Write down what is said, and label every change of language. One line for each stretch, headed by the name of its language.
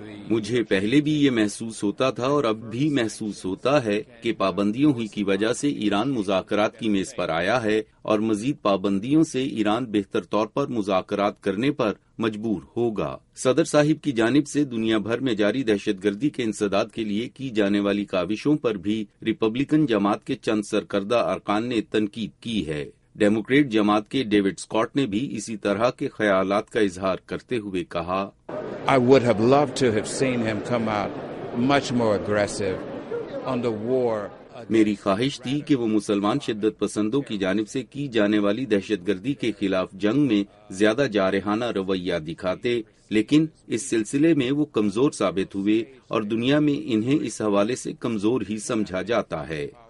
Urdu: مجھے پہلے بھی یہ محسوس ہوتا تھا اور اب بھی محسوس ہوتا ہے کہ پابندیوں ہی کی وجہ سے ایران مذاکرات کی میز پر آیا ہے اور مزید پابندیوں سے ایران بہتر طور پر مذاکرات کرنے پر مجبور ہوگا۔ صدر صاحب کی جانب سے دنیا بھر میں جاری دہشت گردی کے انسداد کے لیے کی جانے والی کاوشوں پر بھی ریپبلکن جماعت کے چند سرکردہ ارکان نے تنقید کی ہے۔ ڈیموکریٹ جماعت کے ڈیوڈ سکاٹ نے بھی اسی طرح کے خیالات کا اظہار کرتے ہوئے کہا،
English: I would have loved to have seen him come out much more aggressive on the war.
Urdu: میری خواہش تھی کہ وہ مسلمان شدت پسندوں کی جانب سے کی جانے والی دہشت گردی کے خلاف جنگ میں زیادہ جارحانہ رویہ دکھاتے، لیکن اس سلسلے میں وہ کمزور ثابت ہوئے اور دنیا میں انہیں اس حوالے سے کمزور ہی سمجھا جاتا ہے۔